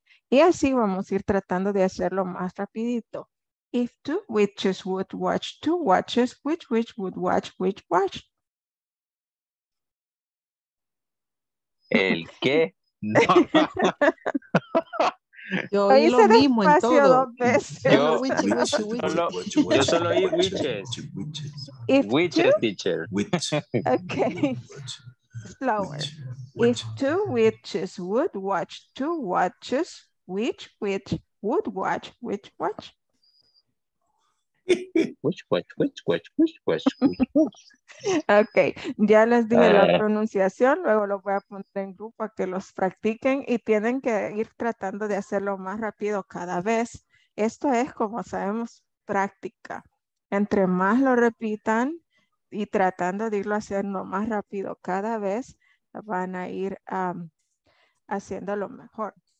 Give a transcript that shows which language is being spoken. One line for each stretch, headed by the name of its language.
Spanish: Y así vamos a ir tratando de hacerlo más rapidito.
English: If two witches would watch two watches, which would watch which watch?
Spanish: ¿El qué? No. Yo oí lo mismo en todo. Yo solo oí
English: witches. If two witches would watch two watches, which witch would watch which watch? which watch?
Spanish: Okay, ya les dije la pronunciación, luego lo voy a poner en grupo a que los practiquen y tienen que ir tratando de hacerlo más rápido cada vez. Esto es, como sabemos, práctica. Entre más lo repitan y tratando de irlo haciendo más rápido cada vez, van a ir haciéndolo mejor.